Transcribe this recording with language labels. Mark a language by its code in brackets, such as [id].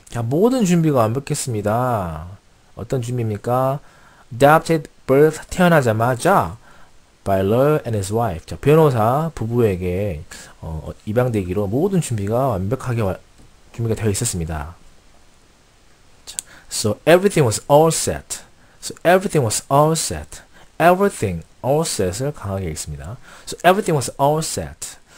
[ko] 자, 모든 준비가 완벽했습니다. 어떤 준비입니까? [en] Adopted birth [ko] 태어나자마자 [en] by lawyer and his wife. [ko] 자, 변호사 부부에게 입양되기로 모든 준비가 완벽하게 준비가 되어 있었습니다. [en] So everything was all set. So everything was all set. Everything all set을 [ko] 강하게 읽습니다. [en] So everything was all set.